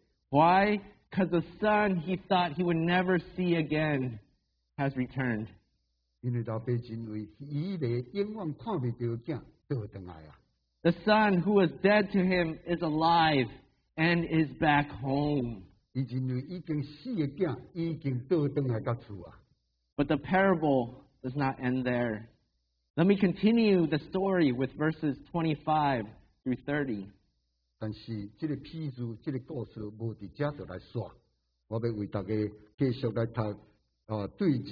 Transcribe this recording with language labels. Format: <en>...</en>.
<en>Why? Because the son he thought he would never see again has returned.</en> <nan>因为老爸认为，伊个永远看袂到个囝倒转来啊。</nan> <en>The son who was dead to him is alive and is back home.</en> <nan>伊认为已经死个囝已经倒转来个厝啊。</nan> <en>But the parable does not end there. Let me continue the story with verses 25 through 30.</en> <nan>但是这个譬如这个故事无伫遮就来煞，我要为大家继续来读。</nan>